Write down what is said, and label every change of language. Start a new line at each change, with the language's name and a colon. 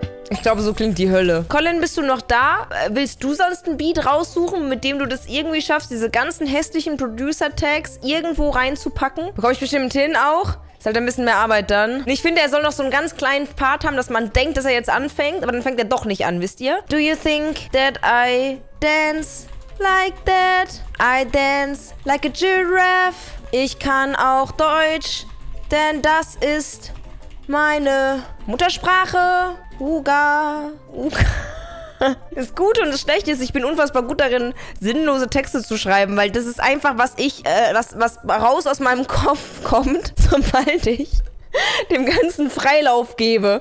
German: Ich glaube, so klingt die Hölle. Colin, bist du noch da? Willst du sonst einen Beat raussuchen, mit dem du das irgendwie schaffst, diese ganzen hässlichen Producer-Tags irgendwo reinzupacken? Bekomme ich bestimmt hin auch. Ist halt ein bisschen mehr Arbeit dann. Und ich finde, er soll noch so einen ganz kleinen Part haben, dass man denkt, dass er jetzt anfängt, aber dann fängt er doch nicht an, wisst ihr?
English: Do you think that I dance like that? I dance like a giraffe.
German: Ich kann auch Deutsch, denn das ist meine Muttersprache. Uga. Uga. Das Gute und das Schlechte ist, ich bin unfassbar gut darin, sinnlose Texte zu schreiben, weil das ist einfach, was ich, was raus aus meinem Kopf kommt, sobald ich dem Ganzen Freilauf gebe.